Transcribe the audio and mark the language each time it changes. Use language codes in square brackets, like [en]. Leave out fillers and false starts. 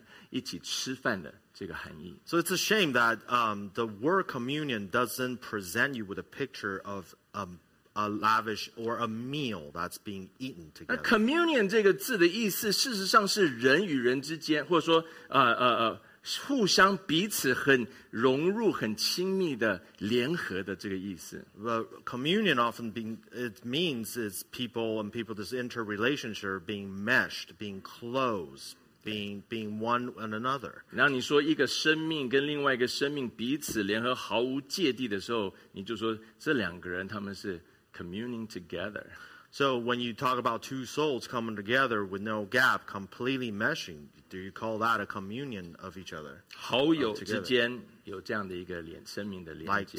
[zh] 有的时候很可惜,因为英文的communion这个字没有带出一顿饭,一起吃饭的。 [en] So it's a shame that the word communion doesn't present you with a picture of a lavish or a meal that's being eaten together. [zh] Communion这个字的意思，事实上是人与人之间，或者说互相彼此很融入、很亲密的联合的这个意思。 [en] But communion often it means people and people, this interrelationship being meshed, being close. Being one and another. [zh] 然后你说一个生命跟另外一个生命彼此联合毫无芥蒂的时候，你就说这两个人他们是 [en] communing together. So when you talk about two souls coming together with no gap, completely meshing, do you call that a communion of each other? [zh] 好友之间有这样的一个生命的连接。